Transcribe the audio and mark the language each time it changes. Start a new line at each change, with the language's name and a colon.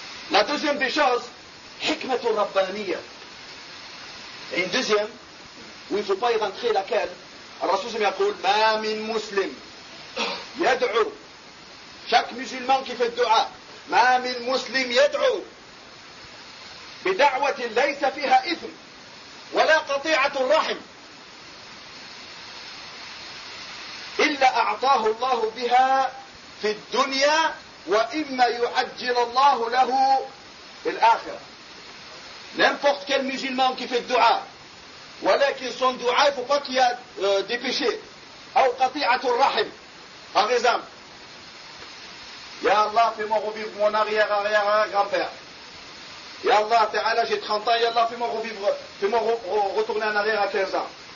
French: La deuxième des choses,
Arabic: hikmat al-rabbaniya.
French: Et une deuxième, où il ne faut pas y rentrer, laquelle? Alors,
Arabic: Rasoul Yaqoul, ma min muslim. Yad'u.
French: Chaque musulman qui fait du'a,
Arabic: ma min muslim yad'u. بدعوة ليس فيها إثم ولا قطيعة الرحم إلا أعطاه الله بها في الدنيا وإما يعجل الله له الآخرة.
French: N'importe quel musulman qui fait du'a,
Arabic: ولكن
French: son du'a, il ne faut pas qu'il y ait des péchés.
Arabic: أو قطيعة الرحم.
French: Par exemple, Ya Allah, fais-moi revivre mon arrière-arrière-grand-père. Ya Allah Ta'ala, j'ai 30 ans, Ya Allah, fais-moi retourner en arrière à 15 ans.